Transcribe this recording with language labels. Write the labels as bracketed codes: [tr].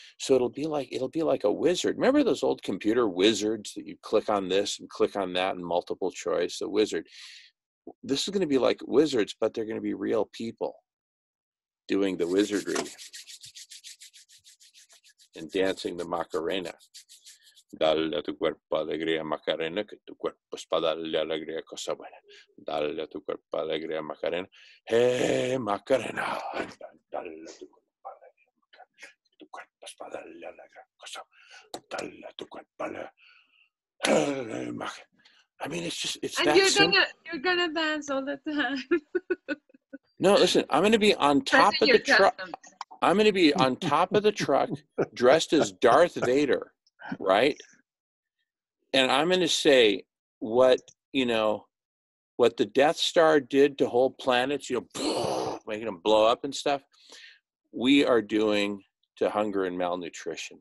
[en] So it'll be like a wizard. Remember those old computer wizards that you click on this and click on that and multiple choice, a wizard. This is going to be like wizards, but they're going to be real people doing the wizardry and dancing the Macarena. [es] Dale a tu cuerpo alegría Macarena, que tu cuerpo es para darle alegría cosa buena. Dale a tu cuerpo alegría Macarena. Hey, Macarena. Dale a tu cuerpo alegría Macarena, que tu cuerpo es para darle alegría cosa buena. Dale a tu cuerpo alegría Macarena. [en] I mean, it's that simple. And you're going to dance all the time. No, listen, I'm going to be on top of the truck. I'm going to be on top of the truck dressed as Darth Vader. Right? And I'm going to say what the Death Star did to whole planets, making them blow up and stuff, we are doing to hunger and malnutrition.